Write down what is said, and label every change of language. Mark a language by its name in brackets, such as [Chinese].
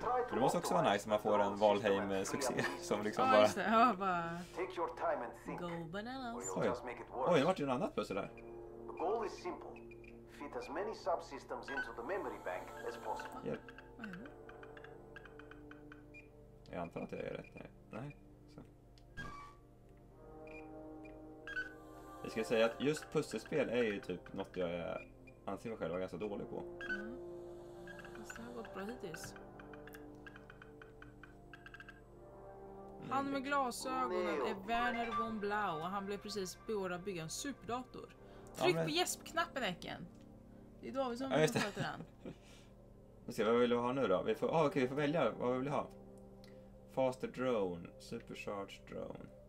[Swedish] Det måste också vara nice om man får en Valheim-succé som liksom bara... Ja, bara... [English] Go bananas. [Swedish] Oj, oj, det var ju något annat plötsligt där. [English] Goal is simple. Fit as many subsystems into the memory bank as possible. [Swedish] Hjälp. Jag antar att jag gör rätt. Nej. Jag ska säga att just pusselspel är ju typ något jag anser mig själv vara ganska dålig på. Mm. Fast det har gått bra hittills. Han med glasögonen är Werner von Blau och han blev precis beordrad att bygga en superdator. Tryck på gäspknappen, Ecken! Det är David som vill prata den. Vi ser, vad vill du ha nu då? Vi får välja vad vi vill ha. [English] Faster drone, supercharged drone.